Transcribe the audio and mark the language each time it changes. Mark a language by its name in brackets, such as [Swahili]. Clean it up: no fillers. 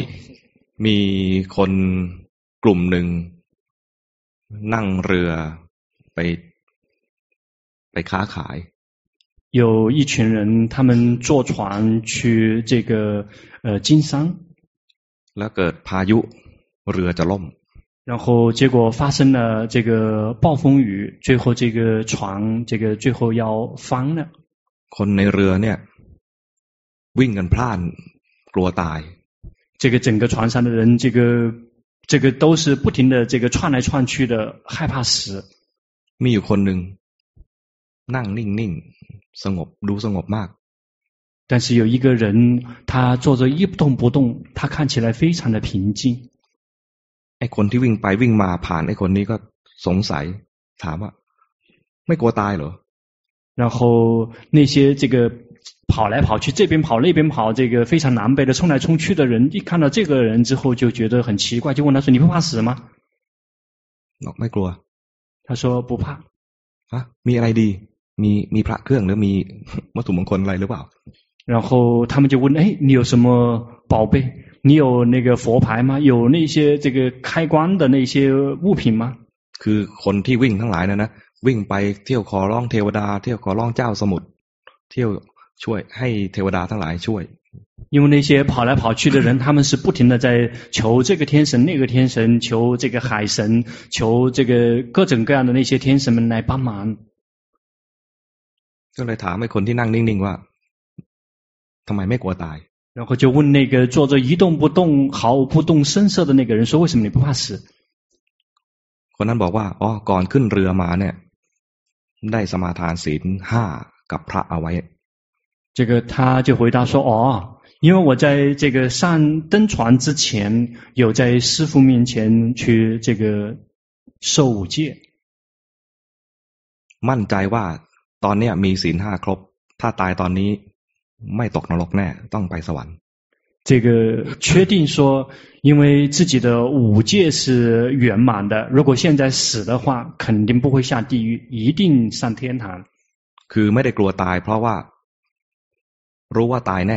[Thai] 了มีคนกลุ่มหนึ่งนั่งเรือไปค้าขาย [Chinese] 有一群人他们坐船去这个经商 [Thai] แล้วเกิดพายุเรือจะล่ม [Chinese] 然后结果发生了这个暴风雨最后这个船这个最后要翻了 [Thai] คนในเรือเนี่ยวิ่งกันพล่านกลัวตาย [Chinese] 这个整个船上的人这个都是不停的这个窜来窜去的害怕死 [Thai] มีอยู่คนหนึ่งนั่งนิ่งสงบดูสงบมาก [Chinese] 但是有一个人他坐着一动不动他看起来非常的平静 [Thai] ไอ้คนที่วิ่งไปวิ่งมาผ่านไอ้คนนี้ก็สงสัยถามว่าไม่กลัวตายเหรอ [Chinese] 然后那些这个跑来跑去这边跑那边跑这个非常狼狈的冲来冲去的人一看到这个人之后就觉得很奇怪就问他说你不怕死吗 [Thai] ไม่กลัว [Chinese] 他说不怕 [Thai] 啊มีอะไรดีมีพระเครื่องหรือมีวัตถุมงคลอะไรหรือเปล่า [Chinese] 然后他们就问哎你有什么宝贝你有那个佛牌吗有那些这个开关的那些物品吗 [Thai] คือคนที่วิ่งทั้งหลายนะ วิ่งไปเที่ยวขอร้องเทวดาเที่ยวขอร้องเจ้าสมุทรเที่ยวช่วยให้เทวดาทั้งหลายช่วย [Chinese] 因为那些跑来跑去的人他们是不停的在求这个天神那个天神求这个海神求这个各种各样的那些天神们来帮忙 [Thai] ก็เลยถามให้คนที่นั่งนิ่งๆว่าทำไมไม่กลัวตาย [Chinese] 然后就问那个坐着一动不动毫不动声色的那个人说为什么你不怕死 [Thai] คนนั้นบอกว่าอ๋อก่อนขึ้นเรือมาเนี่ยได้สมาทานศีล5กับพระเอาไว้ [Chinese] 这个他就回答说哦因为我在这个上登船之前有在师父面前去这个受五戒 [Thai] มั่นใจว่าตอนนี้มีศีล5ครบถ้าตายตอนนี้ไม่ตกนรกแน่ต้องไปสวรรค์ [Chinese] 这个确定说因为自己的五戒是圆满的如果现在死的话肯定不会下地狱一定上天堂 [Thai] คือไม่ได้กลัวตายเพราะว่ารู้ว่าตายแน